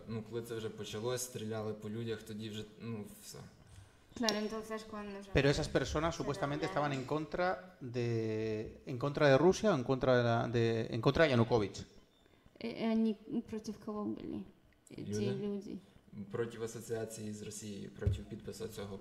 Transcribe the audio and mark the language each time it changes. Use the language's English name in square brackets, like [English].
[Ukrainian] Коли це вже почалось, стріляли по людях, тоді вже, ну, все. [Spanish] Claro, entonces cuando se... Pero esas personas supuestamente estaban en contra de Rusia o en contra de Yanukovych. [Russian] Они против кого были? Эти люди. Против ассоциации с Россией, против подписа цього